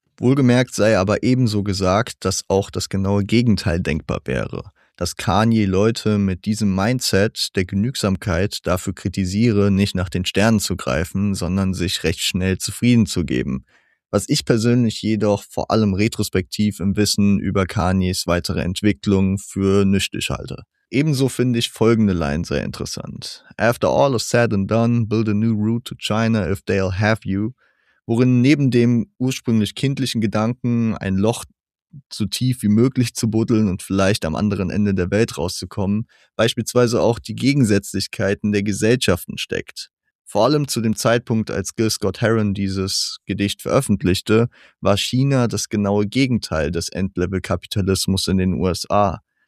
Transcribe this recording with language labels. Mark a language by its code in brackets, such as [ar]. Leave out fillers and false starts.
[de] Wohlgemerkt sei aber ebenso gesagt, dass auch das genaue Gegenteil denkbar wäre, dass Kanye Leute mit diesem Mindset der Genügsamkeit dafür kritisiere, nicht nach den Sternen zu greifen, sondern sich recht schnell zufrieden zu geben. Was ich persönlich jedoch vor allem retrospektiv im Wissen über Kanyes weitere Entwicklung für nüchtern halte. Ebenso finde ich folgende Line sehr interessant. [en] After all is said and done, build a new route to China if they'll have you. [de] Worin neben dem ursprünglich kindlichen Gedanken, ein Loch so tief wie möglich zu buddeln und vielleicht am anderen Ende der Welt rauszukommen, beispielsweise auch die Gegensätzlichkeiten der Gesellschaften steckt. Vor allem zu dem Zeitpunkt, als Gil Scott-Heron dieses Gedicht veröffentlichte, war China das genaue Gegenteil des Endlevel-Kapitalismus in den USA.